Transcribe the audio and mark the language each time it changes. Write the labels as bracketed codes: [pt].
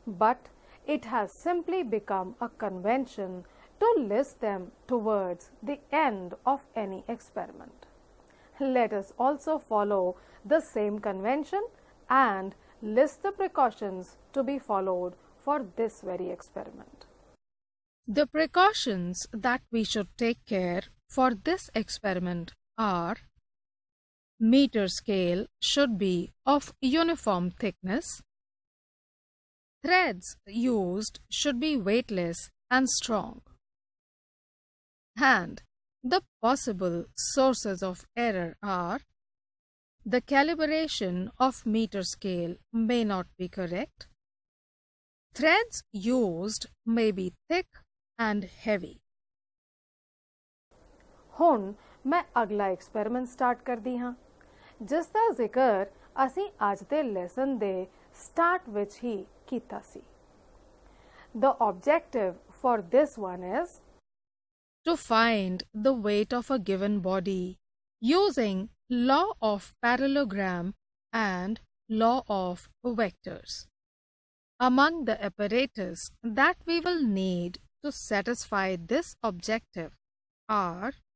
[en] But it has simply become a convention to list them towards the end of any experiment. Let us also follow the same convention and list the precautions to be followed for this very experiment. The precautions that we should take care for this experiment are meter scale should be of uniform thickness, threads used should be weightless and strong, and the possible sources of error are the calibration of meter scale may not be correct, threads used may be thick and heavy. [pa] Hun main agla experiment start kardi ha ਜਿਸ ਦਾ ਜ਼ਿਕਰ ਅਸੀਂ ਅੱਜ ਦੇ lesson ਦੇ start ਵਿੱਚ ਹੀ ਕੀਤਾ ਸੀ। [en] the objective for this one is to find the weight of a given body using law of parallelogram and law of vectors among the apparatus that we will need to satisfy this objective are